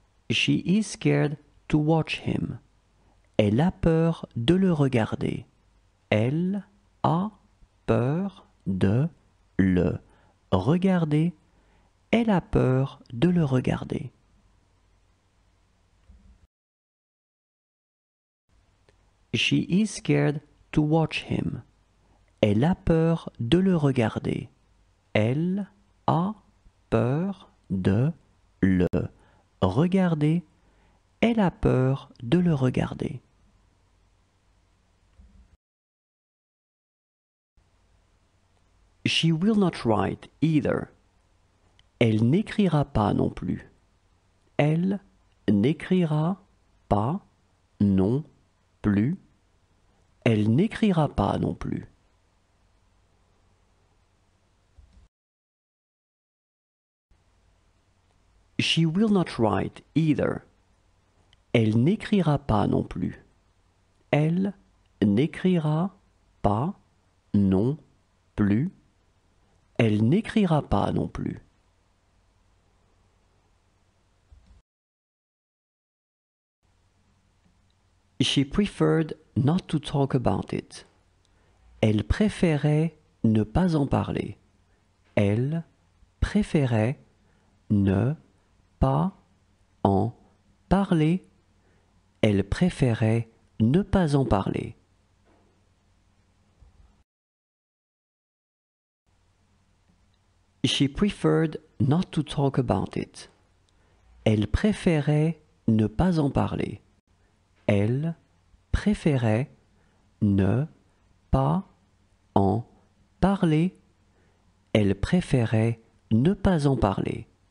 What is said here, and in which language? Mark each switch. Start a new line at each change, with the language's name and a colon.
English: She is scared to watch him.
French: Elle a peur de le regarder. Elle a peur de le regarder. Elle a peur de le regarder.
English: She is scared to watch him.
French: Elle a peur de le regarder. Elle a peur de le regarder. Elle a peur de le regarder.
English: She will not write either.
French: Elle n'écrira pas non plus. Elle n'écrira pas non plus. Elle n'écrira pas non plus.
English: She will not write either.
French: Elle n'écrira pas non plus. Elle n'écrira pas non plus. Elle n'écrira pas non plus.
English: She preferred not to talk about it.
French: Elle préférait ne pas en parler. Elle préférait ne pas en parler. Elle préférait ne pas en parler.
English: She preferred not to talk about it.
French: Elle préférait ne pas en parler. Elle préférait ne pas en parler. Elle préférait ne pas en parler.